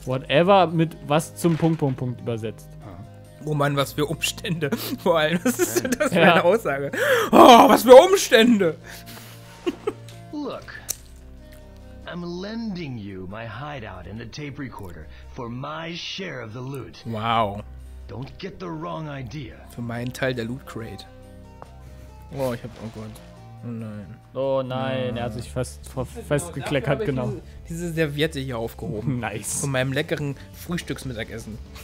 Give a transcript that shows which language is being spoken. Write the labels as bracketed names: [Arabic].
[German] Whatever mit was zum Punkt, Punkt, Punkt übersetzt. Oh Mann, was für Umstände. Vor allem, das ist meine Aussage. Oh, was für Umstände. [English] Look, I'm lending you my hideout and the tape recorder for my share of the loot. Wow. Don't get the wrong idea. [German] Für meinen Teil der Loot Crate. Oh, ich hab, oh Gott. Oh nein, er hat sich festgekleckert genommen. Diese Serviette hier aufgehoben. Nice. Von meinem leckeren Frühstücksmittagessen.